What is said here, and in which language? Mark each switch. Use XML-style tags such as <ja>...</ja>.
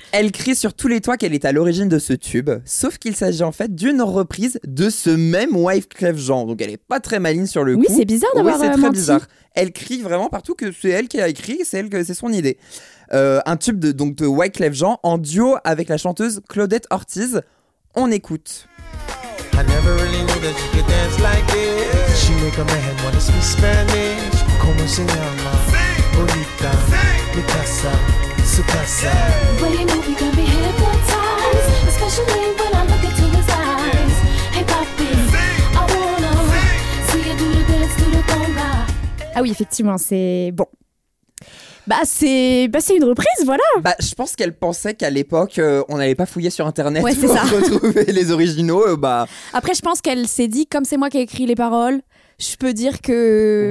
<fr>Elle crie sur tous les toits qu'elle est à l'origine de ce tube, sauf qu'il s'agit en fait d'une reprise de ce même Wyclef Jean, donc elle n'est pas très maligne sur le coup. Oui, c'est bizarre d'avoir menti. Oui, c'est très bizarre. Elle crie vraiment partout que c'est elle qui a écrit, c'est son idée. Un tube de Wyclef Jean en duo avec la chanteuse Claudette Ortiz. On écoute.</fr> <en>I never really knew that you could dance like this. She make a man wanna speak Spanish.</en> <es>Como se llama? Bonita. Mi casa. Su casa.</es> <en>When you move, you got me hypnotized. Especially when I look into his eyes. Hey, papi. I wanna see you do the dance, do the conga.</en> <fr>Ah oui, effectivement, c'est bon. C'est une reprise, voilà. Bah, je pense qu'elle pensait qu'à l'époque, on n'allait pas fouiller sur Internet pour retrouver les originaux. Après, je pense qu'elle s'est dit, comme c'est moi qui ai écrit les paroles, je peux dire que...</fr>